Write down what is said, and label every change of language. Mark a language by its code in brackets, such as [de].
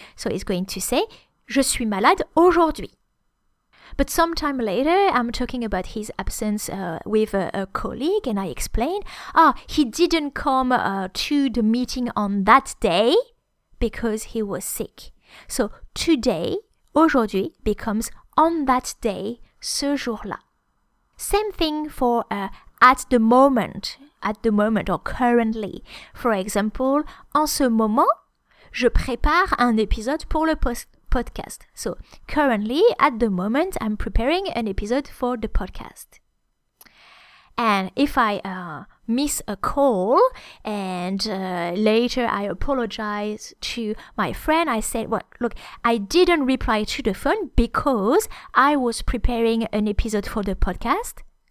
[en] So, he's going to say, je suis malade aujourd'hui. But sometime later, I'm talking about his absence with a colleague and I explain, he didn't come to the meeting on that day because he was sick. So today, aujourd'hui, becomes on that day, ce jour-là. Same thing for at the moment or currently. [fr] For example, en ce moment, je prépare un épisode pour le podcast. [en] So, currently, at the moment, I'm preparing an episode for the podcast. And if I miss a call and later I apologize to my friend, I said, well, look, I didn't reply to the phone because I was preparing an episode for the podcast.